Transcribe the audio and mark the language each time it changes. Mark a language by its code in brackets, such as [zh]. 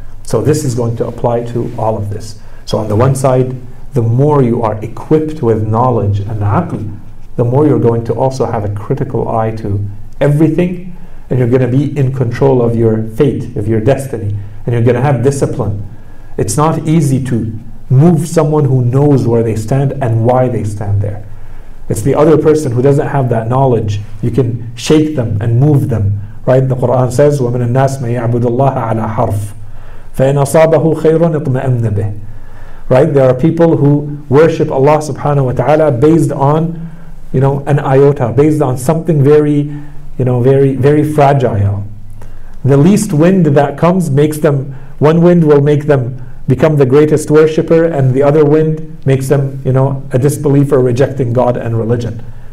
[en] So this is going to apply to all of this. So on the one side, the more you are equipped with knowledge and aql, the more you're going to also have a critical eye to everything, and you're going to be in control of your fate, of your destiny, and you're going to have discipline. It's not easy to move someone who knows where they stand and why they stand there. It's the other person who doesn't have that knowledge. You can shake them and move them, right? [ar] The Quran says, وَمِنَ النَّاسِ مَنْ يَعْبُدُ اللَّهَ عَلَى حَرْفٍ فَإِنْ أَصَابَهُ خَيْرٌ اطْمَأَنَّ بِهِ. [en] Right? There are people who worship Allah subhanahu wa ta'ala based on, you know, an iota, based on something very, you know, very, very fragile. The least wind that comes makes them, one wind will make them become the greatest worshipper, and the other wind makes them, you know, a disbeliever rejecting God and religion.